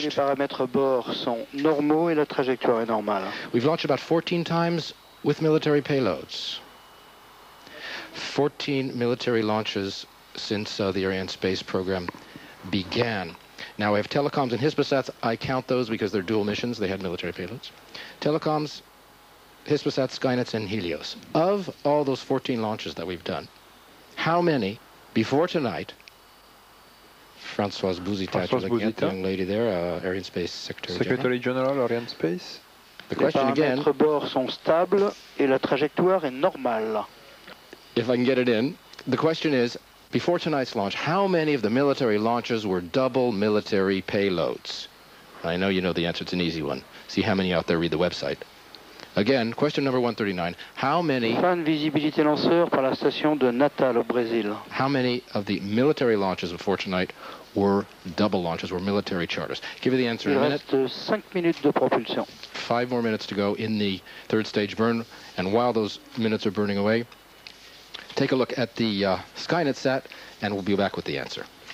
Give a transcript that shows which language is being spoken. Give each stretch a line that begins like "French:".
French: Tous les paramètres bord sont normaux et la trajectoire est normale.
English: We've launched about 14 times with military payloads. 14 military launches since the Ariane space program began. Now, we have telecoms and hispasats. I count those because they're dual missions. They had military payloads. Telecoms, hispasats, Skynets, and Helios. Of all those 14 launches that we've done, how many, before tonight... Françoise Buzita, the young lady there, Ariane Space Secretary General, Ariane Space. The question again.
French: Les paramètres bord sont stables et la trajectoire est normale.
English: If I can get it in. The question is, before tonight's launch, how many of the military launches were double military payloads? I know you know the answer. It's an easy one. See how many out there read the website. Again, question number 139. How many...
French: Fin de visibilité lanceur par la station de Natal au Brésil.
English: How many of the military launches before tonight were double launches, were military charters? Give you the answer
French: Il
English: in a minute.
French: Il reste 5 minutes de propulsion.
English: 5 more minutes to go in the third stage burn. And while those minutes are burning away, take a look at the Skynet sat, and we'll be back with the answer.